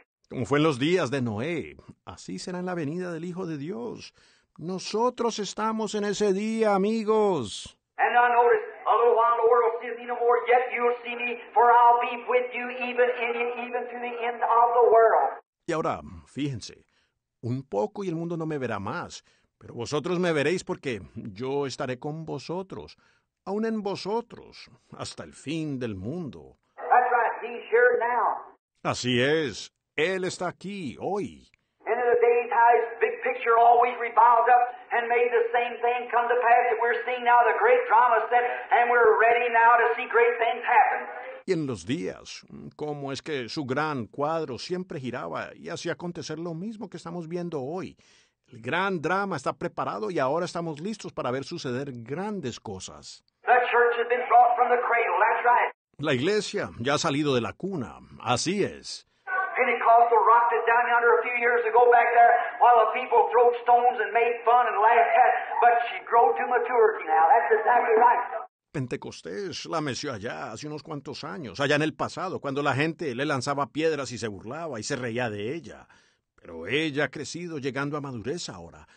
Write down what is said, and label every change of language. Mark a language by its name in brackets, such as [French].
[Spanish] Como fue en los días de Noé, así será en la venida del Hijo de Dios. Nosotros estamos en ese día, amigos. [English] And I notice, a little while the world sees me no more, yet you'll see me, for I'll be with you even in it, even to the end of the world. [Spanish] Y ahora, fíjense. Un poco y el mundo no me verá más, pero vosotros me veréis porque yo estaré con vosotros, aún en vosotros, hasta el fin del mundo. [English] That's right, he's here now. [Spanish] Así es, Él está aquí hoy. [English] End of the days, how his big picture always revolved up and made the same thing come to pass that we're seeing now, the great drama set, and we're ready now to see great things happen. [Spanish] Y en los días, cómo es que su gran cuadro siempre giraba y hacía acontecer lo mismo que estamos viendo hoy. El gran drama está preparado y ahora estamos listos para ver suceder grandes cosas. [English] The church has been brought from the cradle, that's right. [Spanish] La iglesia ya ha salido de la cuna, así es. [English] Pentecostal rocked it down yonder a few years ago back there while the people throwed stones and made fun and laughed at, but she grew to maturity now, that's exactly right. [Spanish] Pentecostés la meció allá hace unos cuantos años, allá en el pasado, cuando la gente le lanzaba piedras y se burlaba y se reía de ella. Pero ella ha crecido llegando a madurez ahora.